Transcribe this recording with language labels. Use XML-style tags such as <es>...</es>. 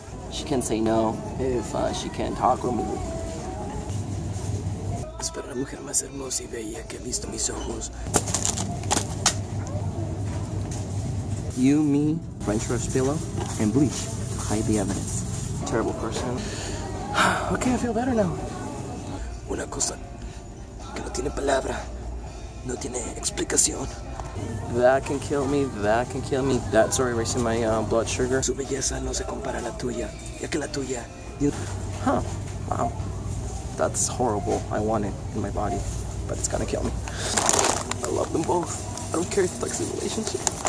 <en>She can't say no if she can't talk with me.</en> <es>Es para la mujer más hermosa y bella que he visto mis ojos.</es> <en>You, me, French rush pillow, and bleach to hide the evidence. Terrible person. Okay, I feel better now.</en> <es>Una cosa que no tiene palabra, no tiene explicación.</es> <en>That can kill me, that can kill me. That's already raising my blood sugar.</en> <es>Su belleza no se compara a la tuya, ya que la tuya...</es> <en>Huh, wow. That's horrible. I want it in my body, but it's gonna kill me. I love them both. I don't care if it's like a relationship.</en>